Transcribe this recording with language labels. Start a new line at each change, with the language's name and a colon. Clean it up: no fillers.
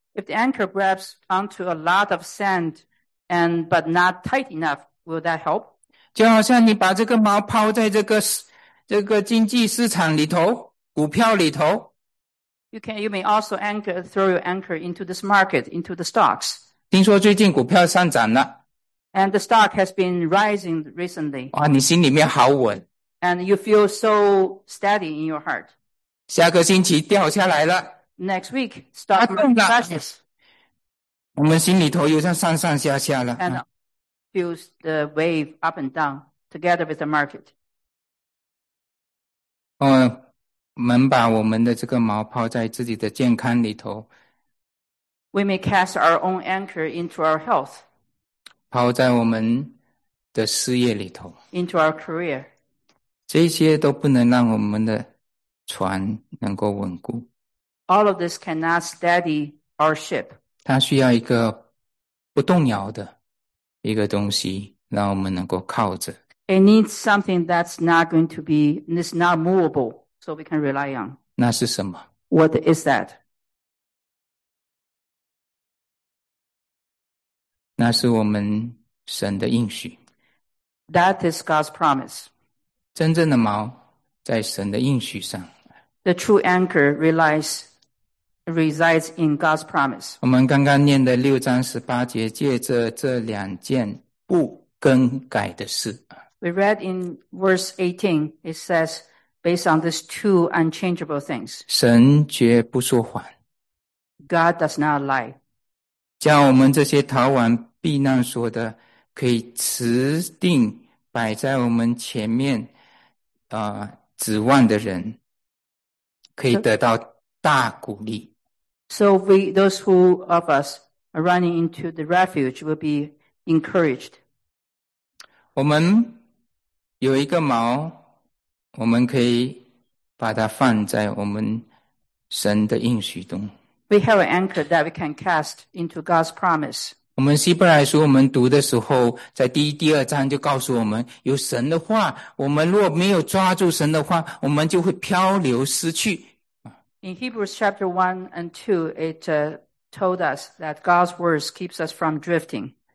English: If the anchor grabs onto a lot of sand, and but not tight enough, will that help?
Chinese: 就好像你把这个锚抛在这个经济市场里头，股票里头。
English: You may also anchor, throw your anchor into this market, into the stocks.
Chinese: 听说最近股票上涨了。
English: And the stock has been rising recently.
Chinese: 哇，你心里面好稳。
English: And you feel so steady in your heart.
Chinese: 下个星期掉下来了。
English: Next week, stock crashes.
Chinese: 我们心里头又像上上下下了。
English: And feels the wave up and down together with the market.
Chinese: 我们把我们的这个锚抛在自己的健康里头。
English: We may cast our own anchor into our health.
Chinese: 抛在我们的事业里头。
English: Into our career.
Chinese: 这些都不能让我们的船能够稳固。
English: All of this cannot steady our ship.
Chinese: 它需要一个不动摇的一个东西，让我们能够靠着。
English: It needs something that's not going to be, it's not movable, so we can rely on.
Chinese: 那是什么？
English: What is that?
Chinese: 那是我们神的应许。
English: That is God's promise.
Chinese: 真正的锚在神的应许上。
English: The true anchor resides in God's promise.
Chinese: 我们刚刚念的六章十八节，借着这两件不更改的事。
English: We read in verse 18, it says, based on these two unchangeable things.
Chinese: 神绝不说谎。
English: God does not lie.
Chinese: 叫我们这些逃往避难所的，可以持定摆在我们前面指望的人可以得到大鼓励。
English: So those who of us are running into the refuge will be encouraged.
Chinese: 我们有一个锚，我们可以把它放在我们神的应许中。
English: We have an anchor that we can cast into God's promise.
Chinese: 我们希伯来书我们读的时候，在第一、第二章就告诉我们，有神的话，我们若没有抓住神的话，我们就会漂流失去。
English: In Hebrews chapter 1 and 2, it told us that God's words keeps us from drifting.